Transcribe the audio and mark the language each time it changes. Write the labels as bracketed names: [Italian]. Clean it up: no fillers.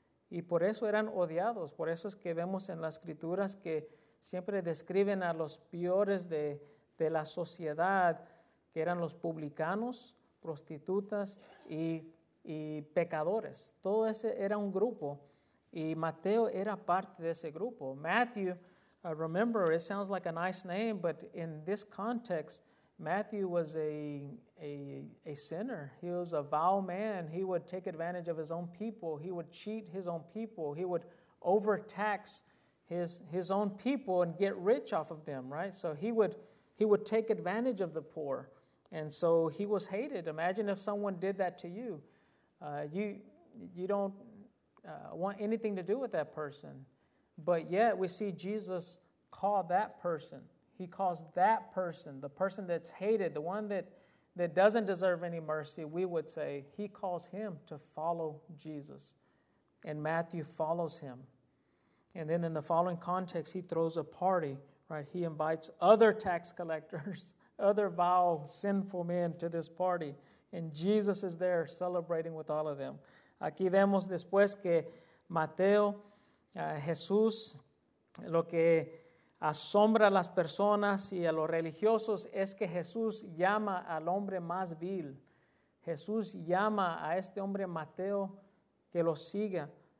[Spanish] Y por eso eran odiados, por eso es que vemos en las escrituras que siempre describen a los peores de la sociedad, que eran los publicanos, prostitutas y, y pecadores. Todo ese era un grupo y Mateo era parte de ese grupo. [English] Matthew, remember, it sounds like a nice name, but in this context, Matthew was a sinner. He was a vile man. He would take advantage of his own people. He would cheat his own people. He would overtax his own people and get rich off of them, right? So he would take advantage of the poor. And so he was hated. Imagine if someone did that to you. You don't want anything to do with that person. But yet we see Jesus call that person. He calls that person, the person that's hated, the one that doesn't deserve any mercy, we would say, he calls him to follow Jesus. And Matthew follows him. And then in the following context, he throws a party, right? He invites other tax collectors, other vile, sinful men to this party. And Jesus is there celebrating with all of them. [Spanish] Aquí vemos después que Mateo, Jesús, lo que asombra a las personas y a los religiosos es que Jesús llama al hombre más vil. Jesús llama a este hombre Mateo que lo siga.